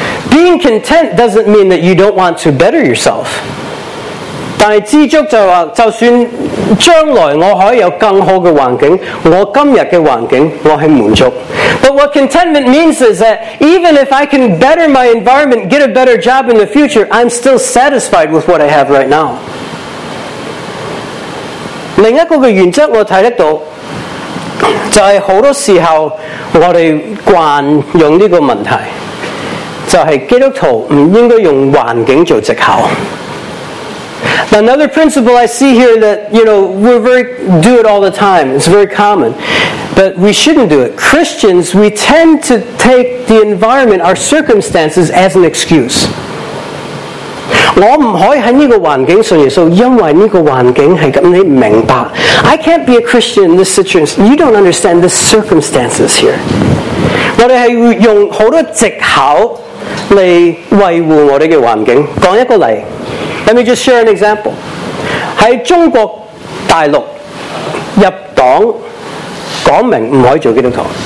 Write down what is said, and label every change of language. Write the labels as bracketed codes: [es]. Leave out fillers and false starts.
[en] Being content doesn't mean that you don't want to better yourself. [zh] 但是知足就说，就算将来我可以有更好的环境，我今日的环境我是满足。 [en] But what contentment means is that even if I can better my environment, get a better job in the future, I'm still satisfied with what I have right now. [zh] 另一个的原则我看得到，就是很多时候我们惯用这个问题，就是基督徒不应该用环境做藉口。 [en] Another principle I see here that, you know, do it all the time. It's very common. But we shouldn't do it. Christians, we tend to take the environment, our circumstances, as an excuse. [zh] 我不可以在这个环境信耶稣，因为这个环境是这样，你不明白。 [en] I can't be a Christian in this situation. You don't understand the circumstances here. [zh] 我们是用很多藉口来维护我们的环境。讲一个例。 [en] Let me just share an example. [zh] 在中国大陆入党讲明不可以做基督徒。